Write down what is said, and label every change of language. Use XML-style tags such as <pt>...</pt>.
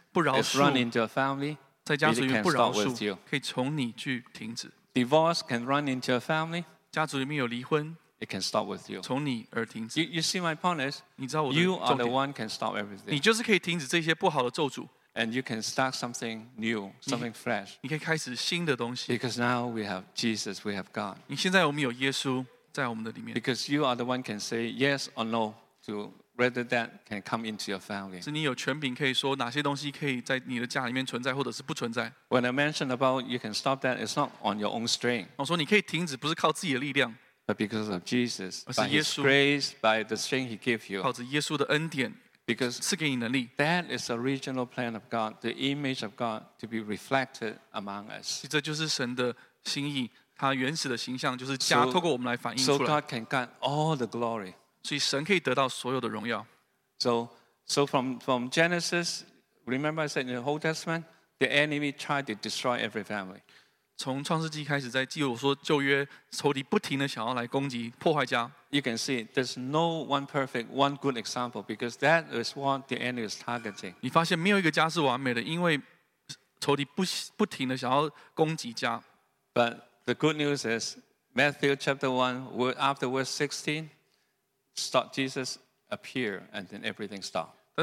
<zh>不饶恕,</zh> <en>is run into your family.</en> <zh>在家族里面不饶恕,</zh> <en>it can start with you. Divorce can run into your family.</en> <zh>家族里面有离婚,</zh> <en>it can start with you.</en> <zh>从你而停止。</zh> <en>You see my point is,</en> <zh>你知道我的重点,</zh> <en>you are the one can start everything.</en> <zh>你就是可以停止这些不好的咒诅。</zh> <en>And you can start something new, something fresh.</en> <zh>你可以开始新的东西。</zh> <en>Because now we have Jesus, we have God.</en> <zh>现在我们有耶稣。</zh> <en>Because you are the one can say yes or no to whether that can come into your family.</en> <zh>是你有权柄可以说哪些东西可以在你的家里面存在或者是不存在。</zh> <en>When I mentioned about you can stop that, it's not on your own strength.</en> <zh>我说你可以停止，不是靠自己的力量。</zh> <en>But because of Jesus,</en> <zh>而是耶稣,</zh> <en>by His grace, by the strength He gave you.</en> <zh>靠着耶稣的恩典,</zh> <en>because</en> <zh>赐给你能力,</zh> <en>that is the original plan of God, the image of God to be reflected among us.</en> <zh>这就是神的心意。他原始的形象就是家,</zh> <en>so, God can get all the glory. So from Genesis, remember I said in the Old Testament, the enemy tried to destroy every family.</en> <zh>从创世纪开始在记录说旧约, 仇敌不停地想要来攻击破坏家。</zh> <en>You can see there's no one perfect, one good example because that is what the enemy is targeting.</en> <zh>你发现没有一个家是完美的, 因为仇敌不停地想要攻击家。</zh> <en>But the good news is Matthew chapter 1, after verse 16, Jesus appeared and then everything stopped.</en>